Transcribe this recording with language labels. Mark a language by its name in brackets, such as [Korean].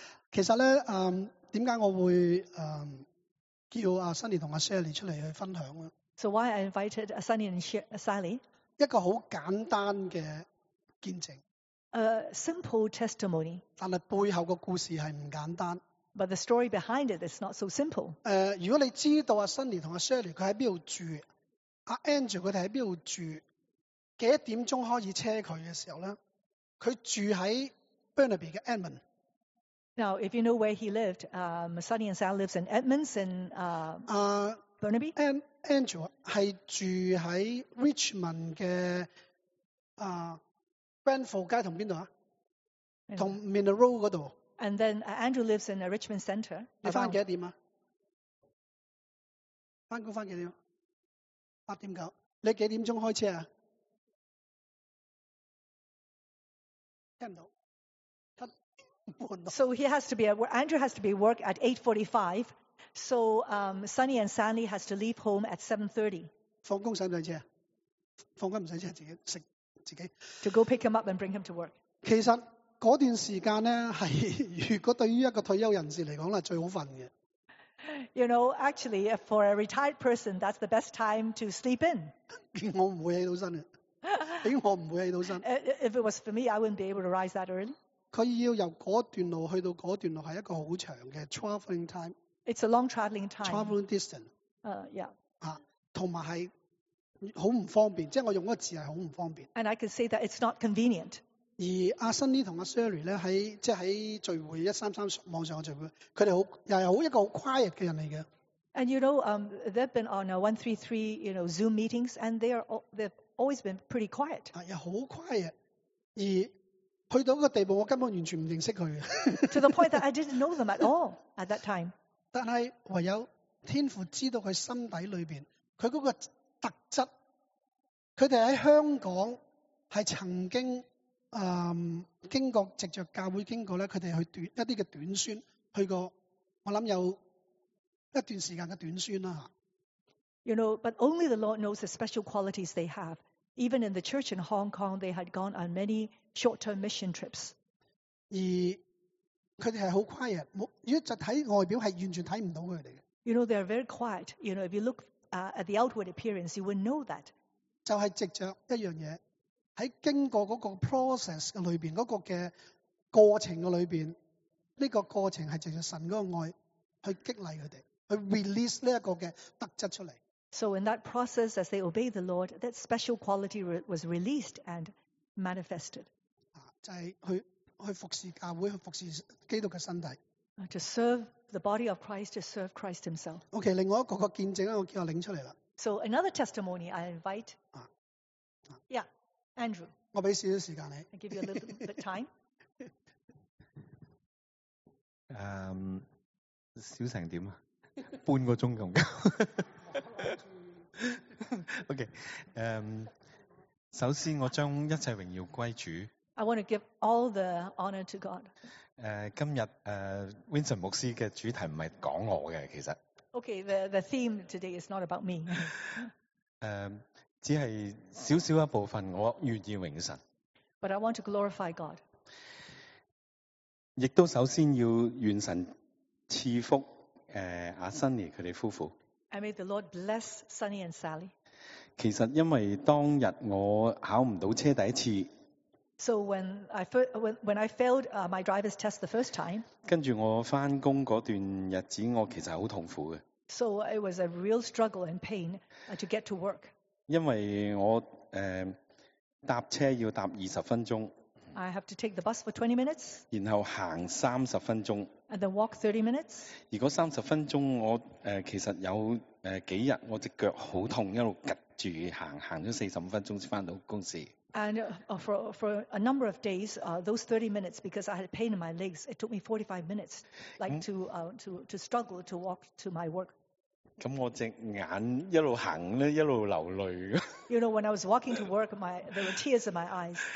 [Chinese] 其实咧，点解我会叫阿 Sunny 同阿 Sally 出嚟去分享啦。 [English] So why I invited Sunny and Sally? [Chinese] 一个好简单嘅见证。 [English] A simple testimony. [Chinese] 但系背后个故事系唔简单。 [English] But the story behind it is not so simple. [Chinese] 如果你知道阿 Sunny 同阿 Sally 佢喺边度住，阿 Angel 佢哋喺边度住，几点钟开始车佢嘅时候咧，佢住喺 Burnaby 嘅 Edmond。 [English] Now, if you know where he lived, Sunny and Sal lives in Edmonds in Burnaby. [Chinese] Angel 是住在 Richmond 的Grenfell 街和哪里？和 Mineral 那里。 [English] And then Andrew lives in a Richmond Center. [Chinese] 你回到几点啊？回到几点？八点九。你几点钟开车啊？听不到。 [English] So he has to be at work. Andrew has to be at work at 8:45. So Sunny and Sandy has to leave home at 7:30. [Chinese] 放工使唔使车？放工唔使车，自己食自己。 [English] To go pick him up and bring him to work. [Chinese] 其实嗰段时间咧，系如果对于一个退休人士嚟讲咧，最好瞓嘅。 [English] You know, actually, for a retired person, that's the best time to sleep in. [Chinese] 我唔会起到身嘅，俾我唔会起到身。 [English] If it was for me, I wouldn't be able to rise that early. [Chinese] 佢要由嗰段路去到嗰段路係一個好長嘅 travelling time。 [English] It's a long travelling time. Travelling distance。 Yeah。 [Chinese] 啊，同埋係好唔方便，即係我用嗰個字係好唔方便。 [English] And I can say that it's not convenient。 [Chinese] 而阿 Sunny 同阿 Sherry 咧喺即係喺聚會133網上嘅聚會，佢哋好又係好一個好 quiet 嘅人嚟嘅。 [English] And you know, they've been on 133, you know, Zoom meetings, and they've always been pretty quiet. [Chinese] 又好quiet, 而去到一个地步, 我根本完全不认识他。 [English] To the point that I didn't know them at all at that time. [Chinese] 但是唯有天父知道他心底里面, 他那个特质, 他们在香港, 是曾经, 经过, 藉着教会经过, 他们去一些短宣, 去过, 我想有, 一段时间的短宣啊, [English] you know, but only the Lord knows the special qualities they have. Even in the church in Hong Kong, they had gone on many short-term mission trips. [Chinese] 而他们是很quiet, 如果就看外表是完全看不到他们的。 [English] You know, they are very quiet. You know, if you look at the outward appearance, you wouldn't know that. [Chinese] 就是藉着一样东西, 在经过那个process里面, 那个过程里面, 这个过程是藉着神的爱去激励他们。 [English] So in that process, as they obey the Lord, that special quality was released and manifested. To serve the body of Christ, to serve Christ himself. So another testimony I invite. Yeah, Andrew. I'll give you a little bit of time. [Chinese] 小成怎样?半个钟咁。OK， 首先我将一切荣耀归主。 [English] I want to give all the honor to God. [Chinese] 今日 Winston 牧师嘅主题唔系讲我嘅，其实。 [English] Okay, the theme today is not about me. [Chinese] 只系少少一部分，我愿意荣神。 [English] But I want to glorify God. [Chinese] 亦都首先要愿神赐福。Sunny他们夫妇, [English] and may the Lord bless Sunny and Sally. [Chinese] 其实因为当日我考唔到车第一次, [English] so when I failed my driver's test the first time, [Chinese] 跟住我翻工嗰段日子，我其实好痛苦嘅. [English] So it was a real struggle and pain to get to work. [Chinese] 因为我 搭车要搭20分钟. [English] I have to take the bus for 20 minutes. [Chinese] 然后行30分钟. [English] And then walk 30 minutes. [Chinese] 而那30分钟我其实有几日我的脚好痛，一路夹住行，行了45分钟才回到公司. [English] And for a number of days, those 30 minutes, because I had pain in my legs, it took me 45 minutes like to struggle to walk to my work. [Chinese] 咁我隻眼一路行咧，一路流泪。 [English] You know, when I was walking to work, there were tears in my eyes.